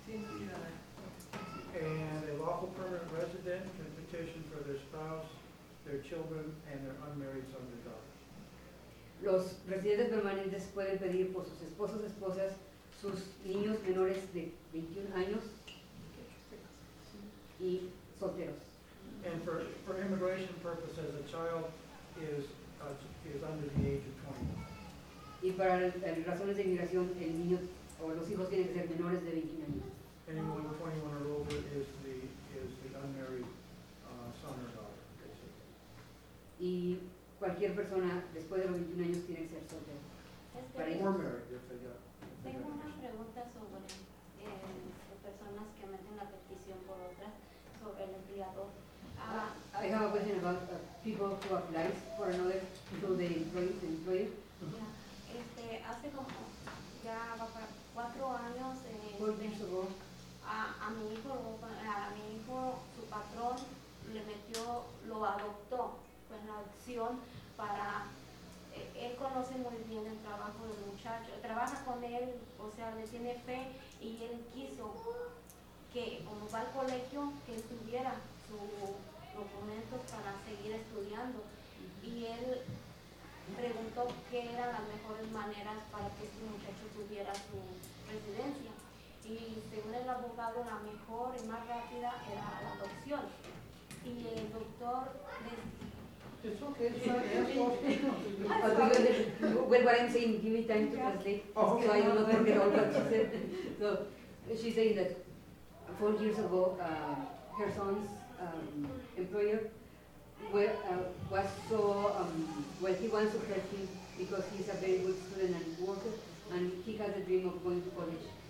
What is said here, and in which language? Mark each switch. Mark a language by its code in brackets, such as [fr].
[en] And a lawful permanent resident can petition for their spouse, their children, and their unmarried son or daughter. [es] Los residentes permanentes pueden pedir por sus esposos, esposas, sus niños menores de 21 años y solteros. [en] And for immigration purposes, a child is under the age of 21. [es] Y para razones de inmigración, el niño o los hijos tienen que ser menores de 21 años. [en] Anyone 21 or older is the unmarried son or daughter, basically. [es] Y cualquier persona después de los 21 años tiene que ser soltero. [en] Or married, if they got. [es] Tengo una pregunta sobre personas que meten la petición por otras sobre el empleado. [en] I have a question about people who apply for another to the employee. The employer. [es] Yeah. Hace como ya va para 4 años. [en] 4 years ago. [es] A mi hijo, su patrón le metió, lo adoptó con la adopción para. Él conoce muy bien el trabajo del muchacho, trabaja con él, o sea, le tiene fe y él quiso que, como va al colegio, que estuviera su documento para seguir estudiando. Y él preguntó qué eran las mejores maneras para que este muchacho tuviera su residencia. Y según el abogado, la mejor y más rápida era la adopción. Y el doctor [en] She's saying that 4 years ago, her son's employer was so, well, he wants to help him because he's a very good student and worker, and he has a dream of going to college.